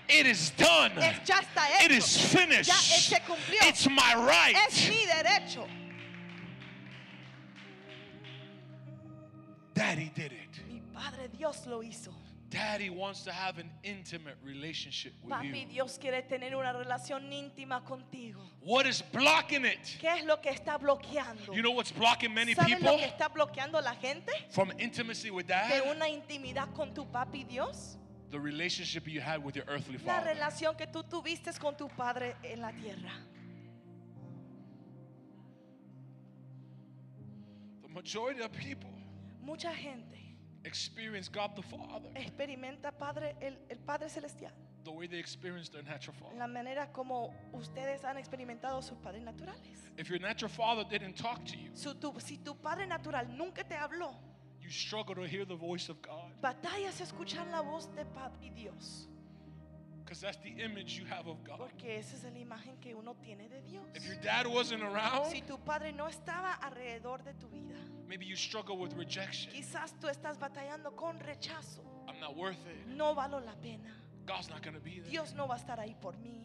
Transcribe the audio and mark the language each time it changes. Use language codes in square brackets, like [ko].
[en] It is done. [es] Es, ya está hecho. [en] It is finished. [es] Ya se cumplió. [en] It's my right. [es] Es mi derecho. [en] Daddy did it. [es] Mi padre Dios lo hizo. [en] Daddy wants to have an intimate relationship with [es] Papi, [en] you. [es] Papi, Dios quiere tener una relación íntima contigo. [en] What is blocking it? [es] ¿Qué es lo que está bloqueando? [en] You know what's blocking many [es] ¿Saben [en] people? [es] Lo que está bloqueando la gente? [en] From intimacy with Dad? [es] De una intimidad con tu Papi Dios? [en] The relationship you had with your earthly father. [es] La relación que tú tuviste con tu padre en la tierra. [en] The majority of people. [es] Mucha gente. [en] Experience God the Father. [es] Experimenta Padre el Padre Celestial. [en] The way they experienced their natural father. [es] La manera como ustedes han experimentado sus padres naturales. [en] If your natural father didn't talk to you, [es] si tu padre natural nunca te habló, [en] you struggle to hear the voice of God. [es] Batallas escuchar la voz de Padre Dios. [en] Because that's the image you have of God. [es] Porque esa es la imagen que uno tiene de Dios. [en] If your dad wasn't around, [es] si tu padre no estaba alrededor de tu vida, [en] maybe you struggle with rejection. [es] Quizás tú estás batallando con rechazo. [en] I'm not worth it. [es] No valo la pena. [en] God's not going to be there. [es] Dios no va a estar ahí por mí.